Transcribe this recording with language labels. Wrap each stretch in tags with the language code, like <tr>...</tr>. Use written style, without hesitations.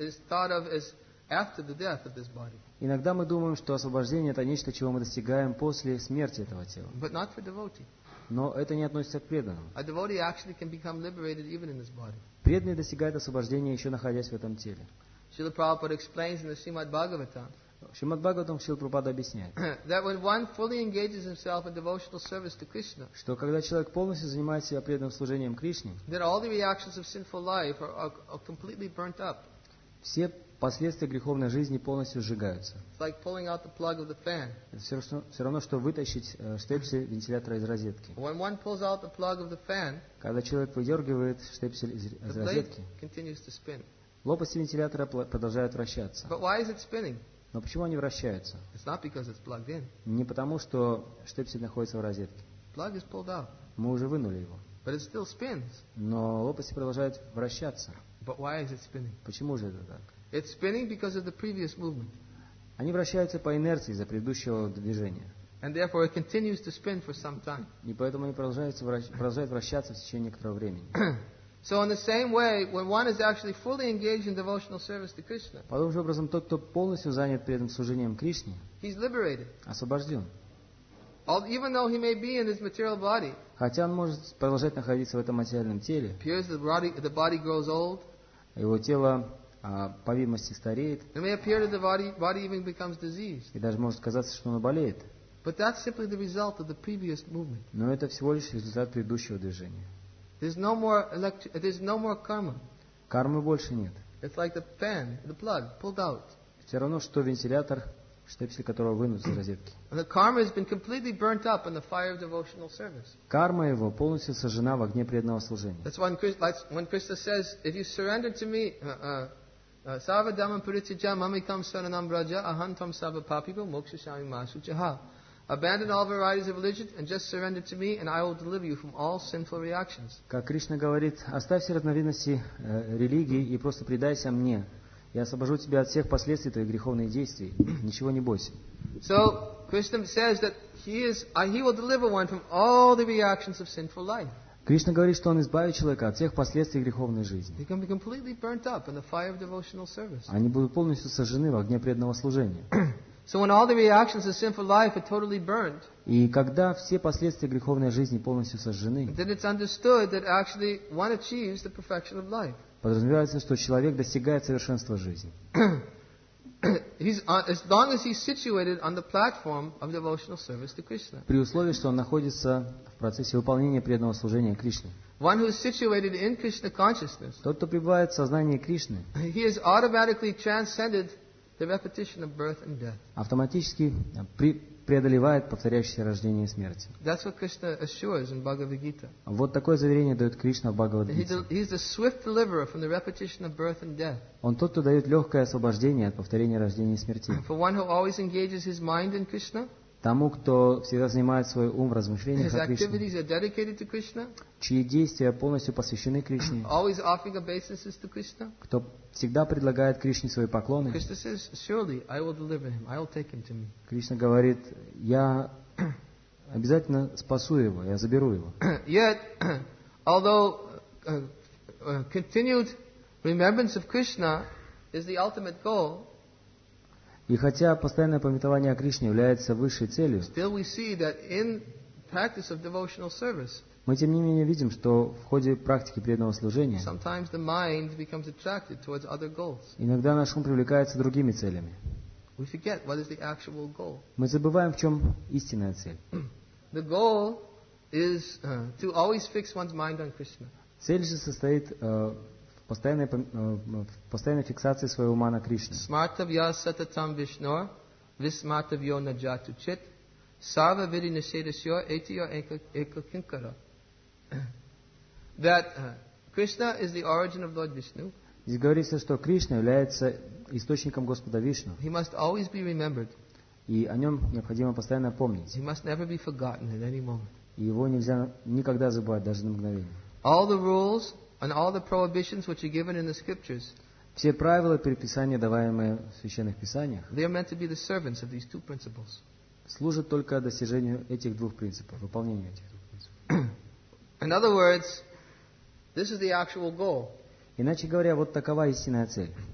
<ru>Иногда мы думаем, что освобождение – это нечто, чего мы достигаем после смерти этого тела. Но это не относится к преданным. Преданный достигает освобождения, еще находясь в этом теле. Шрила Прабхупада объясняет в Шримад Бхагаватам, Шримад Бхагаватам Шрила Прабхупада объясняет,</ru> <en>that when one fully engages himself in devotional service to Krishna,</en> <ru>что когда человек полностью занимается себя преданным служением Кришне,</ru> <en>that all the reactions of sinful life are completely burnt up.</en> <ru>Все последствия греховной жизни полностью сжигаются.</ru> <en>It's like pulling out the plug of the fan.</en> <ru>Это все равно, что вытащить штепсель вентилятора из розетки.</ru> <en>When one pulls out the plug of the fan,</en> <ru>когда человек выдергивает штепсель из розетки,</ru> <en>continues to spin.</en> <ru>Лопасти вентилятора продолжают вращаться.</ru> <en>But why is it spinning?</en> <ru>Но почему они вращаются?</ru> <en>It's not because it's plugged in.</en> <ru>Не потому, что штепсель находится в розетке.</ru> <en>Plug is pulled out.</en> <ru>Мы уже вынули его.</ru> <en>But it still spins.</en> <ru>Но лопасти продолжают вращаться.</ru> <en>But why is it spinning?</en> <ru>Почему же это так?</ru> <en>It's spinning because of the previous movement.</en> <ru>Они вращаются по инерции из-за предыдущего движения.</ru> <en>And therefore it continues to spin for some time.</en> <ru>И поэтому они продолжают вращаться в течение некоторого времени.</ru> <en>So in the same way, when one is actually fully engaged in devotional service to Krishna,</en> <ru>по тому же образом, тот, кто полностью занят перед служением Кришне,</ru> <en>he's liberated.</en> <ru>Освобожден.</ru> <en>Even though he may be in his material body,</en> <ru>хотя он может продолжать находиться в этом материальном теле,</ru> <en>appears the body grows old,</en> <ru>его тело по видимости стареет,</ru> <en>it may appear that the body even becomes diseased.</en> <ru>И даже может казаться, что оно болеет.</ru> <en>But that's simply the result of the previous movement.</en> <ru>Но это всего лишь результат предыдущего движения.</ru> <en>There's no more karma.</en> <ru>Кармы больше нет.</ru> <en>It's like the fan, the plug pulled out.</en> <ru>Все равно, что вентилятор, штепсель которого вынут из розетки.</ru> <en>And the karma has been completely burnt up in the fire of devotional service.</en> <ru>Карма его полностью сожжена в огне преданного служения.</ru> <en>That's when Krishna says, if you surrender to me,</en> <sa>sava dhammam paricchayami mamekam saranam braja ahantam sava papibho moksha shami masu jaha.</sa> <en>Abandon all varieties of religion and just surrender to me, and I will deliver you from all sinful reactions.</en> <ru>Как Кришна говорит, оставь все разновидности религии и просто предайся мне. Я освобожу тебя от всех последствий твоих греховных действий. Ничего не бойся.</ru> <en>So Krishna says that he will deliver one from all the reactions of sinful life.</en> <ru>Кришна говорит, что он избавит человека от всех последствий греховной жизни.</ru> <en>They can be completely burnt up in the fire of devotional service.</en> <ru>Они будут полностью сожжены в огне преданного служения.</ru> <en>So when all the reactions of sinful life are totally burned,</en> <ru>и когда все последствия греховной жизни полностью сожжены,</ru> <en>then it's understood that actually one achieves the perfection of life.</en> <ru>Подразумевается, что человек достигает совершенства жизни.</ru> <en>He's as long as he's situated on the platform of devotional service to Krishna.</en> <ru>При условии, что он находится в процессе выполнения преданного служения Кришне.</ru> <en>One who is situated in Krishna consciousness,</en> <ru>тот, кто пребывает в сознании Кришны,</ru> <en>he is automatically transcended. The repetition of birth and death.</en> <ru>Автоматически преодолевает повторяющиеся рождения и смерти.</ru> <en>That's what Krishna assures in Bhagavad Gita.</en> <ru>Вот такое заверение дает Кришна в Бхагавад Гите.</ru> <en>He's the swift deliverer from the repetition of birth and death.</en> <ru>Он тот, кто дает легкое освобождение от повторения рождения и смерти.</ru> <en>For one who always engages his mind in Krishna.</en> <ru>Тому, кто всегда занимает свой ум в размышлениях о Кришне.</ru> <en>His activities are dedicated to Krishna.</en> <ru>Чьи действия полностью посвящены Кришне.</ru> <en>Always offering obeisances to Krishna.</en> <ru>Кто всегда предлагает Кришне свои поклоны.</ru> <en>Krishna says, surely I will deliver him. I will take him to me.</en> <ru>Кришна говорит, я обязательно спасу его, я заберу его.</ru> <en>Yet, although continued remembrance of Krishna is the ultimate goal,</en> <ru>и хотя постоянное памятование о Кришне является высшей целью,</ru> <en>still we see that in practice of devotional service,</en> <ru>мы тем не менее видим, что в ходе практики преданного служения</ru> <en>sometimes the mind becomes attracted towards other goals.</en> <ru>Иногда наш ум привлекается другими целями.</ru> <en>We forget what is the actual goal.</en> <ru>Мы забываем, в чем истинная цель.</ru> <en>The goal is to always fix one's mind on Krishna.</en> <ru>Цель же состоит в постоянной фиксации своего ума на Кришне.</ru> <sa>Smartavya satatam vishnor vismartavyo najatu chit sarva vidhi nishedasyo etiyo eka kinkara.</sa> <en>That Krishna is the origin of Lord Vishnu.</en> <ru>Здесь говорится, что Кришна является источником Господа Вишну.</ru> <en>He must always be remembered.</en> <ru>И о нем необходимо постоянно помнить.</ru> <en>He must never be forgotten at any moment.</en> <ru>И его нельзя никогда забывать, даже на мгновение.</ru> <en>All the rules and all the prohibitions which are given in the scriptures.</en> <ru>Все правила и предписания, даваемые в священных писаниях.</ru> <en>They are meant to be the servants of these two principles.</en> <ru>Служат только достижению этих двух принципов, выполнению этих двух принципов.</ru> <en>In other words, this is the actual goal.</en> <ru>Иначе говоря, вот такова истинная цель.</ru>